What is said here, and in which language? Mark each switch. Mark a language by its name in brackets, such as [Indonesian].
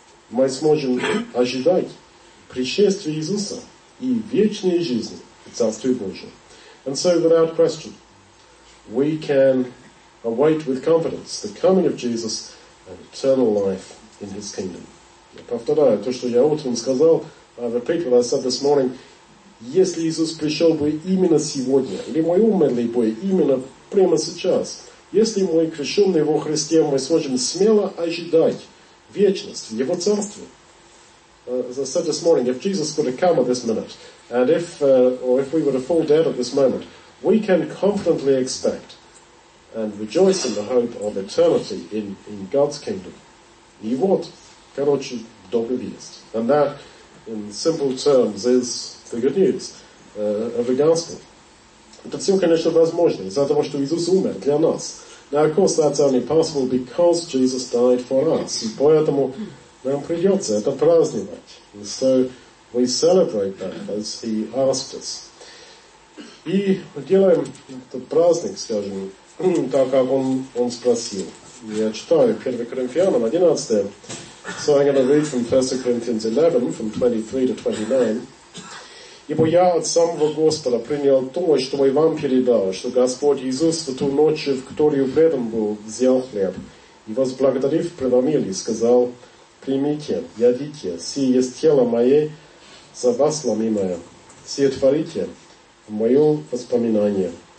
[Russian] Мы сможем ожидать пришествия Иисуса и вечной жизни в Царстве Божьем. [English] And so, without question, we can await with confidence the coming of Jesus and eternal life in his kingdom. [Russian] Я повторяю то, что я утром сказал, [English] I repeat what I said this morning, [Russian] если Иисус пришел бы именно сегодня, или мой ум медлил бы именно прямо сейчас, если мы крещенные во Христе, мы сможем смело ожидать вечность, его царство. [English] As I said this morning, if Jesus were to come at this minute, and if we were to fall dead at this moment, we can confidently expect and rejoice in the hope of eternity in God's kingdom. [Russian] И вот, короче, добрая весть. [English] And that, in simple terms, is the good news of the gospel. [Russian] Это все, конечно, возможно из-за того, что Иисус умер для нас. [English] Now, of course, that's only possible because Jesus died for us. [Russian] И поэтому нам придется это праздновать. [English] And so we celebrate that as he asked us. [Russian] И делаем этот праздник, скажем, так, как он спросил. Я читаю 1 Коринфянам 11. [English] So I'm going to read from 1 Corinthians 11, from 23 to 29. [Russian] «Ибо я от самого Господа принял то, что и вам передал, что Господь Иисус в ту ночь, в которую предан был, взял хлеб, и, возблагодарив, преломил и сказал, «Примите, ядите, сие есть тело мое, за вас, ломимая, сотворите мое воспоминание.